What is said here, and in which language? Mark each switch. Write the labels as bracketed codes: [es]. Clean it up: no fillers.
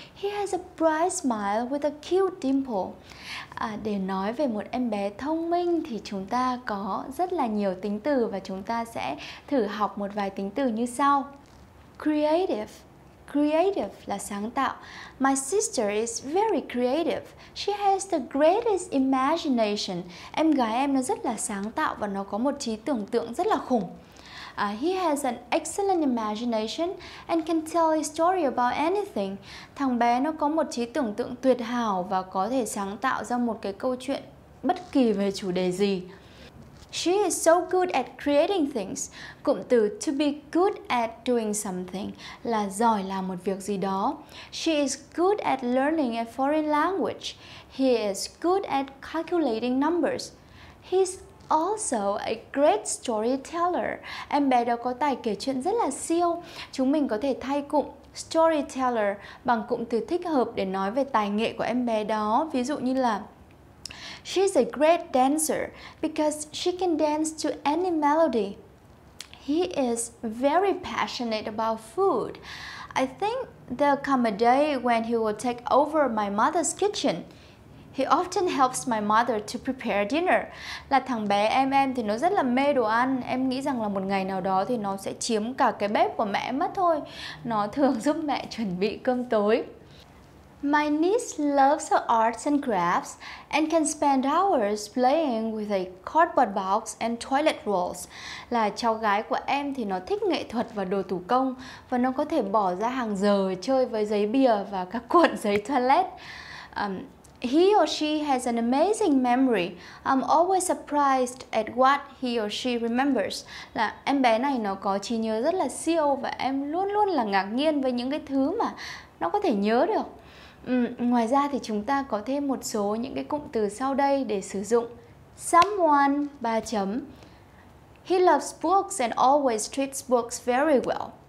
[en] He has a bright smile with a cute dimple. [vi] Để nói về một em bé thông minh thì chúng ta có rất là nhiều tính từ và chúng ta sẽ thử học một vài tính từ như sau. [en] Creative. Creative [vi] là sáng tạo. [en] My sister is very creative. She has the greatest imagination. [vi] Em gái em nó rất là sáng tạo và nó có một trí tưởng tượng rất là khủng. [en] He has an excellent imagination and can tell a story about anything. [vi] Thằng bé nó có một trí tưởng tượng tuyệt hảo và có thể sáng tạo ra một cái câu chuyện bất kỳ về chủ đề gì. [en] She is so good at creating things. [vi] Cụm từ [en] to be good at doing something [vi] là giỏi làm một việc gì đó. [en] She is good at learning a foreign language. He is good at calculating numbers. He's also a great storyteller. [vi] Em bé đó có tài kể chuyện rất là siêu. Chúng mình có thể thay cụm storyteller bằng cụm từ thích hợp để nói về tài nghệ của em bé đó. Ví dụ như là [en] she's a great dancer because she can dance to any melody. He is very passionate about food. I think there'll come a day when he will take over my mother's kitchen. He often helps my mother to prepare dinner. [vi] Là thằng bé em thì nó rất là mê đồ ăn. Em nghĩ rằng là một ngày nào đó thì nó sẽ chiếm cả cái bếp của mẹ mất thôi. Nó thường giúp mẹ chuẩn bị cơm tối. [en] My niece loves her arts and crafts and can spend hours playing with a cardboard box and toilet rolls. [vi] Là cháu gái của em thì nó thích nghệ thuật và đồ thủ công và nó có thể bỏ ra hàng giờ chơi với giấy bìa và các cuộn giấy toilet. [en] He or she has an amazing memory. I'm always surprised at what he or she remembers. [vi] Là em bé này nó có trí nhớ rất là siêu và em luôn luôn là ngạc nhiên với những cái thứ mà nó có thể nhớ được. Ngoài ra thì chúng ta có thêm một số những cái cụm từ sau đây để sử dụng. [en] Someone [vi] 3 chấm. [en] He loves books and always treats books very well.